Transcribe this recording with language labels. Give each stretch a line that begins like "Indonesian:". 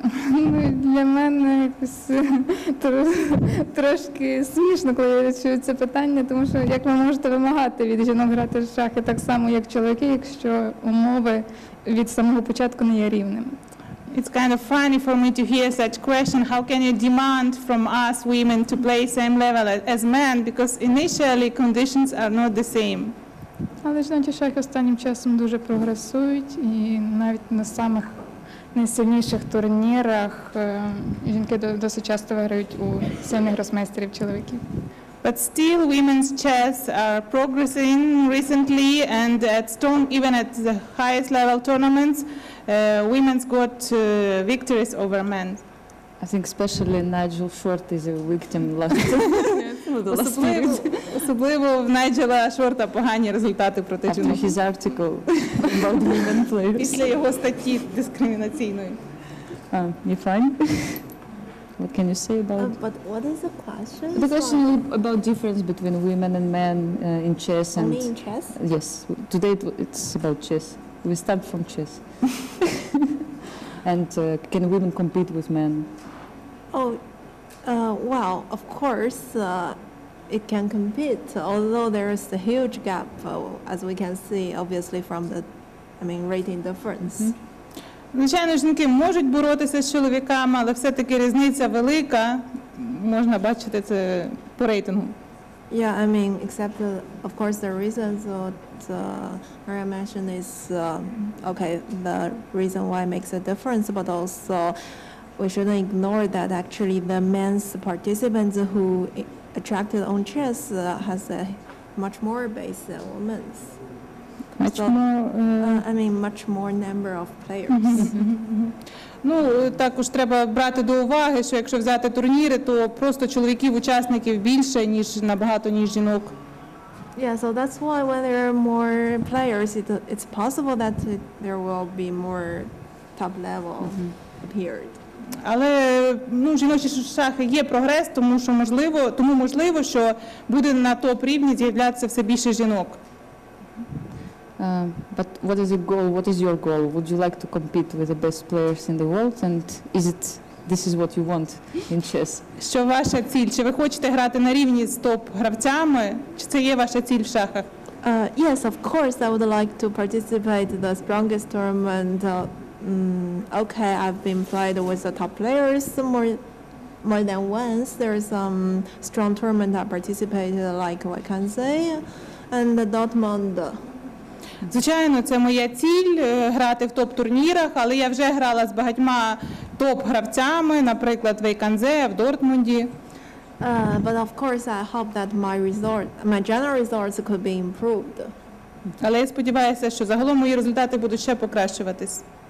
Ukrainian: Ну, для мене якось трошки смішно, коли я чую це питання, тому що як ви можете вимагати від жінок грати в шахи так само, як чоловіки, якщо умови від самого початку не є рівними?
English: It's kind of funny for me to hear such question. How can you demand from us women to play same level as men, because initially conditions are not the same?
Ukrainian: Але жінки шахи останнім часом дуже прогресують, і навіть на самих найсильніших турнірах жінки досить часто виграють у сильних гросмейстерів чоловіків.
English: But still women's chess are progressing recently, and at strong, even at the highest level tournaments, women's got victories over men. I think especially Nigel Short is a victim last year.
Ukrainian: Особливо в Найджела Шорта погані результати проти жінок.
English: After his article about women players.
Ukrainian: Після його статті дискримінаційної.
English: You fine? What can you say about... But what is the question? The question is about difference between women and men in chess. Only in chess? Yes. Today it's about chess. We start from chess. And can women compete with men? Oh, well, of course it can compete, although there is a huge gap, as we can see, obviously, from the, I mean, rating difference.
Ukrainian: Звичайно, жінки можуть боротися з чоловіками, але все-таки різниця велика. Можна бачити це по рейтингу.
English: Yeah, I mean, except of course the reasons that Maria mentioned is okay. The reason why makes a difference, but also we shouldn't ignore that actually the men's participants who attracted on chess has a much more base than women's. Much so, more. I mean, much more number of players.
Ukrainian: Ну, також треба брати до уваги, що якщо взяти турніри, то просто чоловіків-учасників більше, ніж набагато, ніж жінок.
English: Yeah, so that's why when there are more players, it's possible that there will be more top level appeared.
Ukrainian: Але, ну, жіночі шахи є прогрес, тому що можливо, тому можливо, що буде на топ-рівні з'являтися все більше жінок.
English: But what is your goal? What is your goal? Would you like to compete with the best players in the world? And is it this is what you want in chess?
Ukrainian: Що ваша ціль? Чи ви хочете грати на рівні з топ-гравцями? Чи це є ваша ціль в шахах?
English: Yes, of course, I would like to participate in the strongest tournament. Okay, I've been played with the top players more than once. There is some strong tournament I participated like Wakansei and Dortmund.
Ukrainian: Звичайно, це моя ціль грати в топ-турнірах, але я вже грала з багатьма топ-гравцями, наприклад, в Ейканзе, в Дортмунді.
English: But of course, I hope that my general results could be improved.
Ukrainian: Але я сподіваюся, що загалом мої результати будуть ще покращуватись.